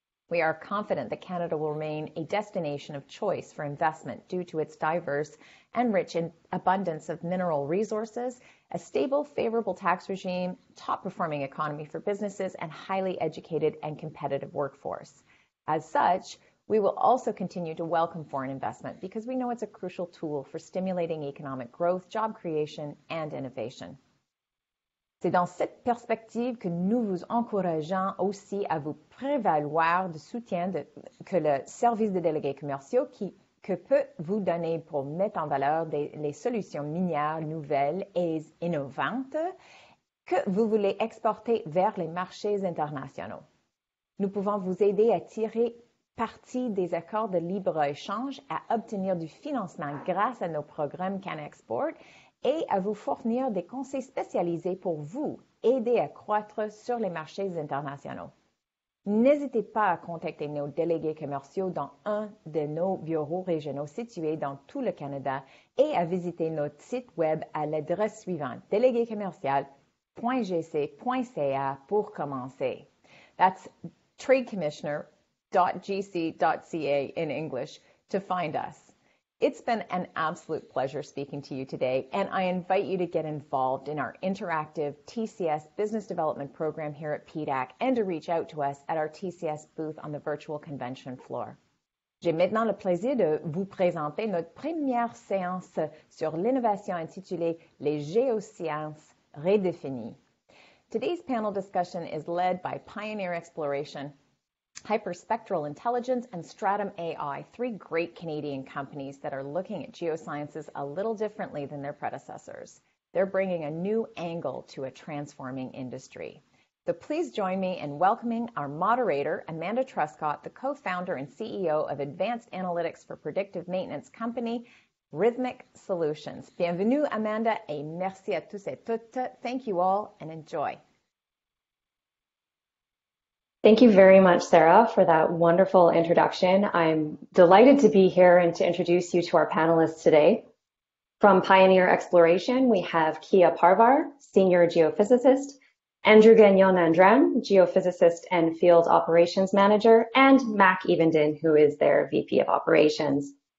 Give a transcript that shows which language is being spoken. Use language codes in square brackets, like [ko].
[en] We are confident that Canada will remain a destination of choice for investment due to its diverse and rich abundance of mineral resources, a stable, favorable tax regime, top-performing economy for businesses, and highly educated and competitive workforce. As such, we will also continue to welcome foreign investment because we know it's a crucial tool for stimulating economic growth, job creation, and innovation. [fr] C'est dans cette perspective que nous vous encourageons aussi à vous prévaloir du soutien de, que le service de délégués commerciaux qui, que peut vous donner pour mettre en valeur des, les solutions minières nouvelles et innovantes que vous voulez exporter vers les marchés internationaux. Nous pouvons vous aider à tirer partie des accords de libre-échange à obtenir du financement grâce à nos programmes CanExport et à vous fournir des conseils spécialisés pour vous aider à croître sur les marchés internationaux. N'hésitez pas à contacter nos délégués commerciaux dans un de nos bureaux régionaux situés dans tout le Canada et à visiter notre site web à l'adresse suivante déléguéscommercial.gc.ca pour commencer. [en] That's Trade Commissioner .gc.ca in English to find us. It's been an absolute pleasure speaking to you today, and I invite you to get involved in our interactive TCS business development program here at PDAC and to reach out to us at our TCS booth on the virtual convention floor. [fr] J'ai maintenant le plaisir de vous présenter notre première séance sur l'innovation intitulée Les Géosciences Redéfinies. [en] Today's panel discussion is led by Pioneer Exploration, Hyperspectral Intelligence, and Statum AI, three great Canadian companies that are looking at geosciences a little differently than their predecessors. They're bringing a new angle to a transforming industry. So please join me in welcoming our moderator, Amanda Truscott, the co-founder and CEO of Advanced Analytics for Predictive Maintenance Company, Rithmik Solutions. [fr] Bienvenue, Amanda, et merci à tous et toutes. [en] Thank you all, and enjoy. Thank you very much, Sarah, for that wonderful introduction. I'm delighted to be here and to introduce you to our panelists today. From Pioneer Exploration, we have Kia Parvar, Senior Geophysicist, Andrew Gagnon-Andrem, Geophysicist and Field Operations Manager, and Mac Evenden, who is their VP of Operations.